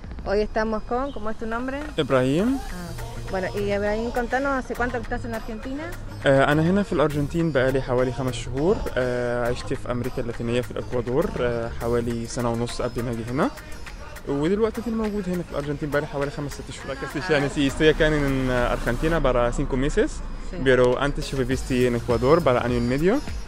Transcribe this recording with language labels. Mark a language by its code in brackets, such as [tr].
[es] Hoy estamos con, ¿cómo es tu nombre? Ibrahim. Bueno, y Ibrahim, contanos, ¿hace cuánto estás en Argentina? [ar] أنا هنا في الأرجنتين بقالي حوالي 5 شهور. عشت في أمريكا اللاتينية في الإكوادور حوالي سنة ونص قبل ما أجي هنا. ودلوقتي في موجود هنا في الأرجنتين بقالي حوالي 5-6 شهور. [es] يعني si estoy acá en Argentina para 5 meses, pero antes yo viví en Ecuador para año y medio.